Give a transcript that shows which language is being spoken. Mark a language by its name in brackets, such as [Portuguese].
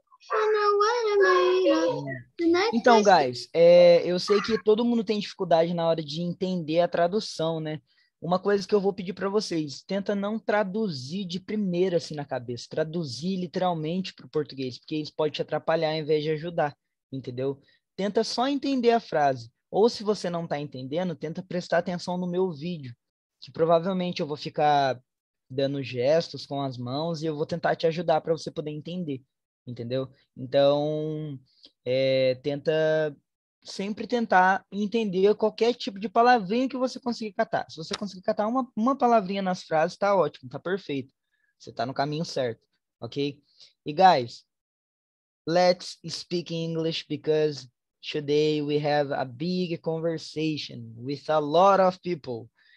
[English] I know what I'm made of. The next [Portuguese] Então, [English] place. [Portuguese] guys, eu sei que todo mundo tem dificuldade na hora de entender a tradução, né? Uma coisa que eu vou pedir para vocês, tenta não traduzir de primeira assim na cabeça, traduzir literalmente para o português, porque isso pode te atrapalhar em vez de ajudar, entendeu? Tenta só entender a frase, ou se você não está entendendo, tenta prestar atenção no meu vídeo, que provavelmente eu vou ficar dando gestos com as mãos e eu vou tentar te ajudar para você poder entender. Entendeu? Então, tenta sempre tentar entender qualquer tipo de palavrinha que você conseguir catar. Se você conseguir catar uma palavrinha nas frases, tá ótimo, tá perfeito. Você tá no caminho certo, ok? E, [English] guys, let's speak English because today we have a big conversation with a lot of people.